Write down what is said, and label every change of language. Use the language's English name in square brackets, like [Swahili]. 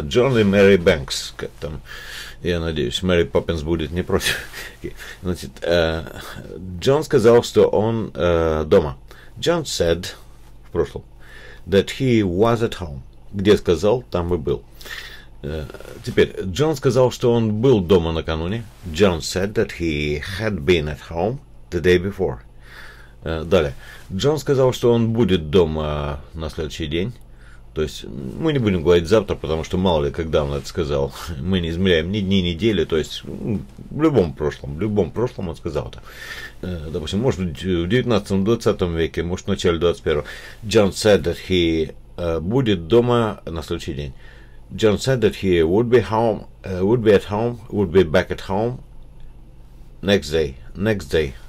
[Russian] Джон и Мэри Бэнкс. Как там? Я надеюсь, Мэри Поппинс будет не против. Значит, Джон сказал, что он дома. [English] Джон said [Russian] в прошлом [English] that he was at home. [Russian] Где сказал, там и был. Теперь, Джон сказал, что он был дома накануне. [English] John said that he had been at home the day before. [Russian] Далее, Джон сказал, что он будет дома на следующий день. То есть, мы не будем говорить завтра, потому что мало ли, когда он это сказал. Мы не измеряем ни дни, ни недели, то есть, в любом прошлом он сказал это. Допустим, может быть, в 19-20 веке, может, в начале 21-го. [English] John said that he [Russian] будет дома на следующий день. [English] John said that he would be back at home next day.